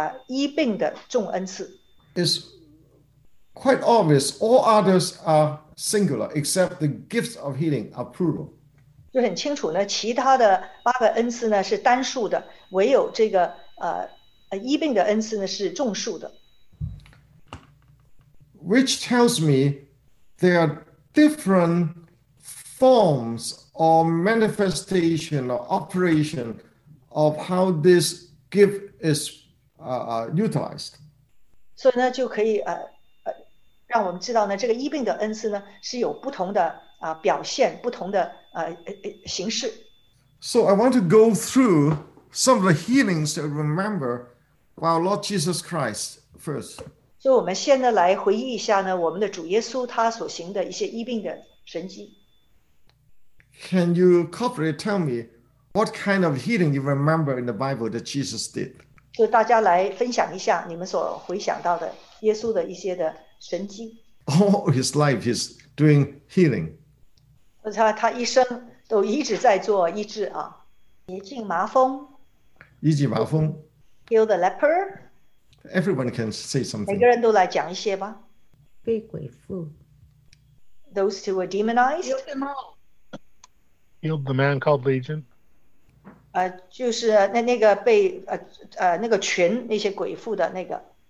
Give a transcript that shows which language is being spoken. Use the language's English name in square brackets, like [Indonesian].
[Chinese] 那其中一个呢，就是医病的众恩赐。It's [English] quite obvious all others are singular except the gifts of healing are plural. [Chinese] 就很清楚呢，其他的八个恩赐呢是单数的，唯有这个 医病的恩赐呢是众数的。Which [English] tells me there are different forms or manifestation or operation of how this gift is utilized. [Chinese] 所以呢就可以让我们知道呢这个医病的恩赐呢是有不同的表现，不同的形式。So [English] I want to go through some of the healings that remember by our Lord Jesus Christ first. [Chinese] 所以我们现在来回忆一下呢，我们的主耶稣他所行的一些医病的神迹。 [English] Can you corporately tell me what kind of healing you remember in the Bible that Jesus did? [Chinese] 就大家来分享一下你们所回想到的耶稣的一些的神迹。 [English] All his life he's doing healing. [Chinese] 他一生都一直在做医治啊，洁净麻风。医治麻风。 [English] Heal the leper. Everyone can say something. [Chinese] 每个人都来讲一些吧。被鬼附。 [English] Those who were demonized. Heal them all. Healed the man called Legion. [Chinese] 就是那个被那个群那些鬼附的那个。